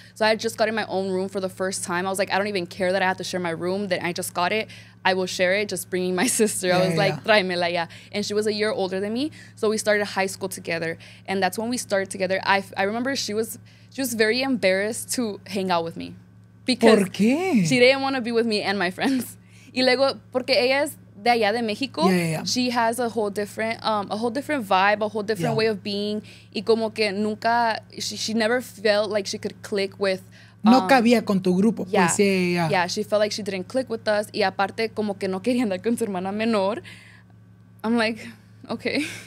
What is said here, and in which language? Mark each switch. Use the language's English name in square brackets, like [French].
[English] So I had just gotten my own room for the first time. I was like, I don't even care that I have to share my room, that I just got it. I will share it, just bringing my sister. Yeah, I was like, [Spanish] tráemela, [English] yeah. And she was a year older than me. So we started high school together. And that's when we started together. I remember she was very embarrassed to hang out with me. Because [Spanish] ¿por qué? [English] She didn't want to be with me and my friends. [Spanish] Y luego, porque ella es de allá de México. [English] Yeah, yeah, yeah. She has a whole different vibe, a whole different way of being. [Spanish] Y como que nunca, [English] she never felt like she could click with [Spanish] no cabía con tu grupo. Yeah. Pues, yeah, yeah. [English] Yeah, she felt like she didn't click with us. [Spanish] Y aparte, como que no quería andar con su hermana menor. [English] I'm like, okay.